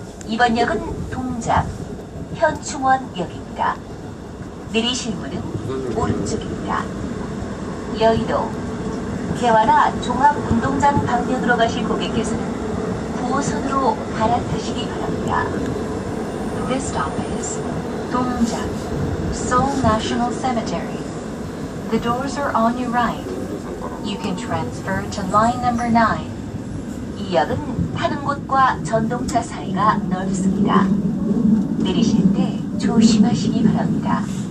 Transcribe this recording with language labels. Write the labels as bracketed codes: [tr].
[ko] 이번 역은 동작 현충원역입니다. 내리실 문은 오른쪽입니다. 여의도 개화나 종합운동장 방면으로 가실 고객께서는 9호선으로 갈아타시기 바랍니다. [en] This stop is 동작 Seoul National Cemetery. The doors are on your right. You can transfer to line number 9. [ko] 이 역은 타는 곳과 전동차 사이가 넓습니다. 내리실 때 조심하시기 바랍니다.